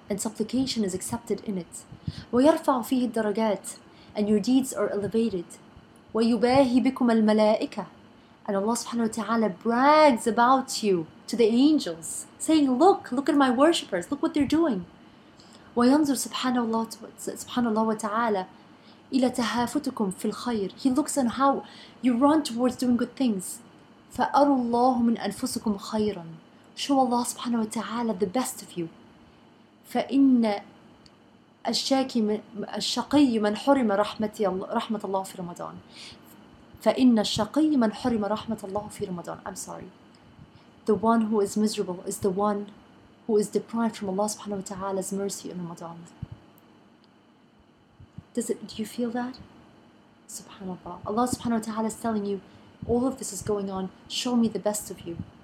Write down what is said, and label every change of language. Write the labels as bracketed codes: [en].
[en] And supplication is accepted in it. [ar] ويرفع فيه الدرجات. [en] And your deeds are elevated. [ar] ويباهي بكم الملائكة. [en] And Allah subhanahu wa ta'ala brags about you to the angels, saying, look at my worshippers, look what they're doing. [ar] وينظر سبحان الله وتعالى إلى تهافتكم في الخير. [en] He looks on how you run towards doing good things. [ar] فأروا الله من أنفسكم خيرا. [en] Show Allah سبحانه وتعالى the best of you. [ar] فإن الشقي من حرم رحمة الله في رمضان. فإن الشقي من حرم رحمة الله في رمضان. [en] I'm sorry. The one who is miserable is the one who is deprived from Allah subhanahu wa ta'ala's mercy in Ramadan. Do you feel that? SubhanAllah. Allah subhanahu wa ta'ala is telling you, all of this is going on, show me the best of you.